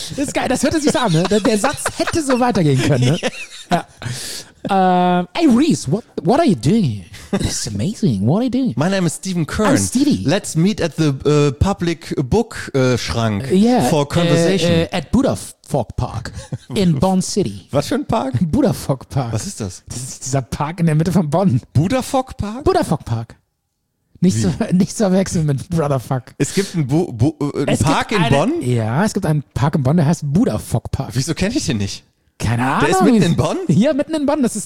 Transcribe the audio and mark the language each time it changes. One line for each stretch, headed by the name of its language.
German: Das ist geil, das hört sich so an, ne? Der Satz hätte so weitergehen können, ne? Ja.
English: Hey Reese, what are you doing here? It's amazing. What are you doing? My name is Stephen Kern. I'm Stevie. Let's meet at the public book Schrank for conversation. At Budafok Park in Bonn City.
German: Was für ein Park? Budafok Park. Was ist das? Das ist dieser Park in der Mitte von Bonn. Budafok Park? Budafok Park. Nicht zu verwechseln mit Brotherfuck. Es gibt einen Park in Bonn? Ja, es gibt einen Park in Bonn, der heißt Budafok Park. Wieso kenne ich den nicht? Keine Ahnung. Der ist mitten in Bonn? Ja, mitten in Bonn. Das ist